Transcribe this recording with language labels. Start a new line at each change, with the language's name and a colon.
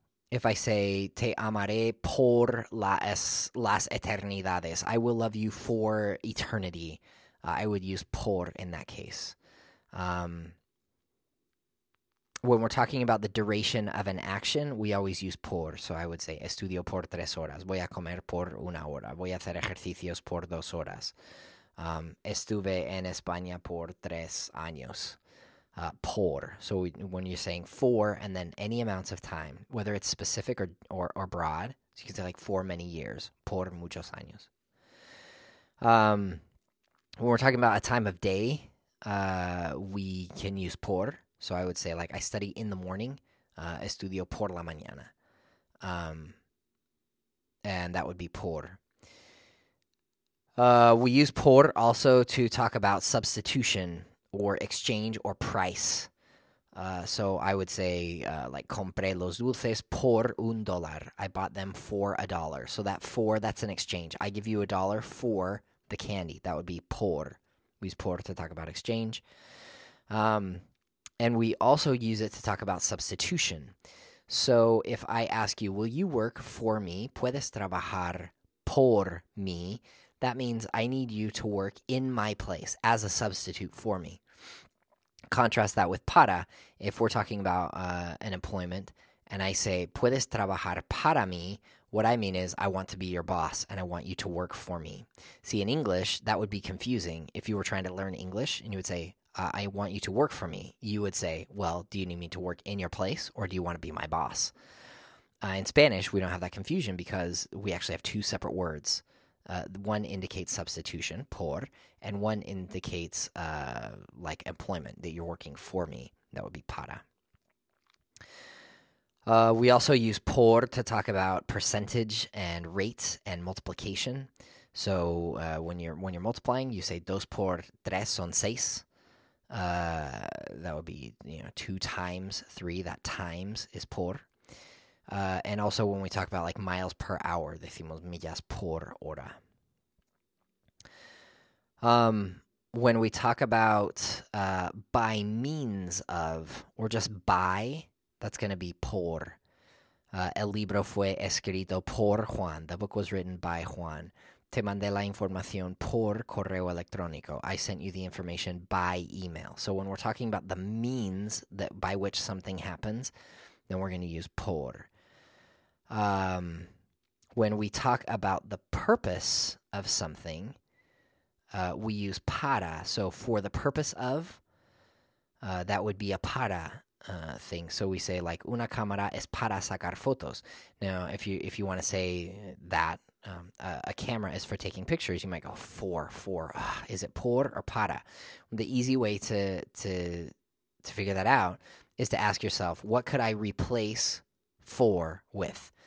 English: If I say,
Spanish: te amaré por las eternidades,
English: I will love you for eternity, I would use por in that case. When we're talking about the duration of an action, we always use por. So I would say,
Spanish: estudio por tres horas. Voy a comer por una hora. Voy a hacer ejercicios por dos horas. Estuve en España por tres años. Por.
English: So when you're saying for and then any amounts of time, whether it's specific or broad, so you can say like for many years,
Spanish: por muchos años.
English: When we're talking about a time of day, we can use por. So I would say, like, I study in the morning,
Spanish: estudio por la mañana.
English: And that would be por. We use por also to talk about substitution or exchange or price. So I would say, like,
Spanish: compré los dulces por un dólar.
English: I bought them for a dollar. So that for, that's an exchange. I give you a dollar for the candy. That would be por. We use por to talk about exchange. And we also use it to talk about substitution. So if I ask you, will you work for me?
Spanish: ¿Puedes trabajar por mí?
English: That means I need you to work in my place as a substitute for me. Contrast that with para. If we're talking about an employment and I say,
Spanish: ¿puedes trabajar para mí?
English: What I mean is I want to be your boss and I want you to work for me. See, in English, that would be confusing. If you were trying to learn English and you would say, I want you to work for me, you would say, well, do you need me to work in your place or do you want to be my boss? In Spanish, we don't have that confusion because we actually have two separate words. One indicates substitution, por, and one indicates like employment, that you're working for me. That would be para. We also use por to talk about percentage and rates and multiplication. So when you're multiplying, you say
Spanish: dos por tres son seis.
English: That would be, you know, two times three, that times is por. And also when we talk about like miles per hour,
Spanish: decimos millas por hora.
English: When we talk about by means of, or just by, that's going to be por.
Spanish: El libro fue escrito por Juan.
English: The book was written by Juan.
Spanish: Te mandé la información por correo electrónico.
English: I sent you the information by email. So when we're talking about the means that by which something happens, then we're going to use por. When we talk about the purpose of something, we use para. So for the purpose of, that would be a para thing. So we say like,
Spanish: una cámara es para sacar fotos.
English: Now, if you want to say that, a camera is for taking pictures, you might go, for. Is it por or para? The easy way to figure that out is to ask yourself, what could I replace for with?